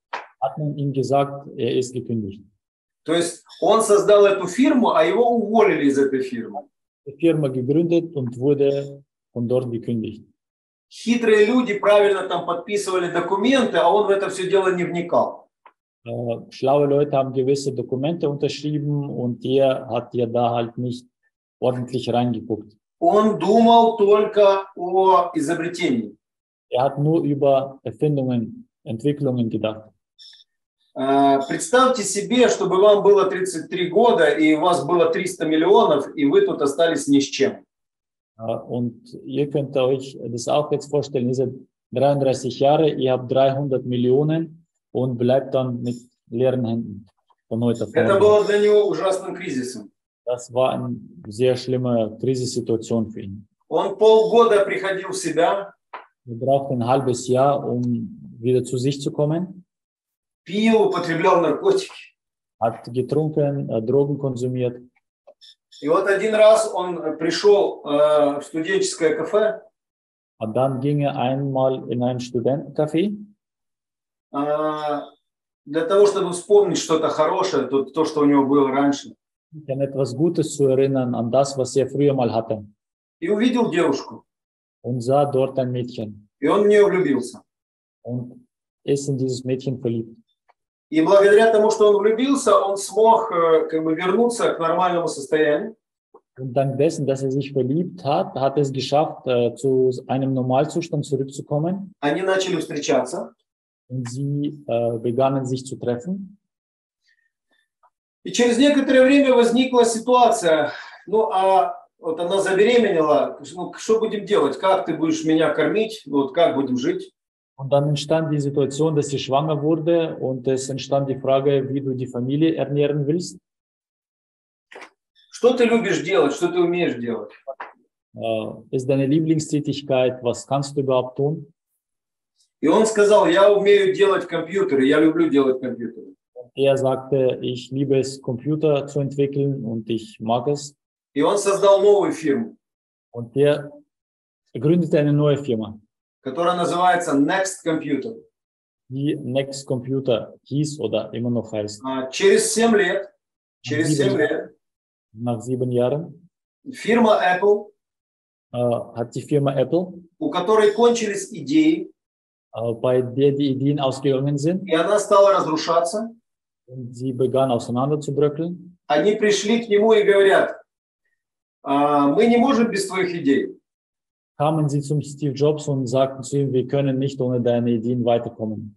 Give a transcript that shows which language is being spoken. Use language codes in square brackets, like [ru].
[de] Hat man ihm gesagt, er ist gekündigt. [ru] То есть он создал эту фирму, а его уволили из этой фирмы. [de] Die Firma gegründet und wurde von dort gekündigt. [ru] Хитрые люди правильно там подписывали документы, а он в это все дело не вникал. [de] Schlaue Leute haben gewisse Dokumente unterschrieben und er hat ja da halt nicht ordentlich reingeguckt. [ru] Он думал только о изобретении. [de] Er hat nur über Erfindungen, Entwicklungen gedacht. [ru] Представьте себе, чтобы вам было 33 года, и у вас было 300 миллионов, и вы тут остались ни с чем. [de] Und ihr könnt euch das auch jetzt vorstellen, ihr seid 33 Jahre, ihr habt 300 Millionen und bleibt dann mit leeren Händen. Von heute auf morgen. [ru] Это было для него ужасным кризисом. [de] Das war eine sehr schlimme Krisensituation für ihn. [ru] Он полгода приходил в себя. [de] Er brauchte ein halbes Jahr, um wieder zu sich zu kommen. [ru] Пил, употреблял наркотики. [de] Hat getrunken, Drogen konsumiert. [ru] И вот один раз он пришел в студенческое кафе. [de] Und dann ging er einmal in ein Studentencafé. [ru] Для того, чтобы вспомнить что-то хорошее, то, что у него было раньше. [de] Um etwas Gutes zu erinnern an das, was er früher mal hatte. [ru] И увидел девушку. [de] Und sah dort ein Mädchen. [ru] И он в нее влюбился. [de] Und ist in dieses Mädchen verliebt. [ru] И благодаря тому, что он влюбился, он смог как бы вернуться к нормальному состоянию. [de] Und dank dessen, dass sich verliebt hat, hat es geschafft, zu einem Normalzustand zurückzukommen. [ru] Они начали встречаться. [de] Und sie begannen sich zu treffen. [ru] И через некоторое время возникла ситуация, вот она забеременела, что будем делать, как ты будешь меня кормить, как будем жить? [de] Und dann entstand die Situation, dass sie schwanger wurde und es entstand die Frage, wie du die Familie ernähren willst. [ru] Что ты любишь делать, что ты умеешь делать? [de] Ist deine Lieblingstätigkeit, was kannst du überhaupt tun? [ru] И он сказал, я умею делать компьютеры, я люблю делать компьютеры. [de] Er sagte, ich liebe es, Computer zu entwickeln und ich mag es. [ru] И он создал новую фирму. [de] Und er gründete eine neue Firma. [ru] Которая называется Next Computer. [de] Die Next Computer hieß oder immer noch heißt. [ru] Через 7 лет. Через 7 лет. [de] Nach 7 Jahren. [ru] Фирма Apple. [de] Hat die Firma Apple. [ru] У которой кончились идеи. [de] Bei der die Ideen ausgegangen sind. [ru] И она стала разрушаться. [de] Und sie begann auseinanderzubröckeln. [ru] Они пришли к нему и говорят, мы не можем без твоих идей. [de] Kamen sie zum Steve Jobs und sagten zu ihm, wir können nicht ohne deine Ideen weiterkommen.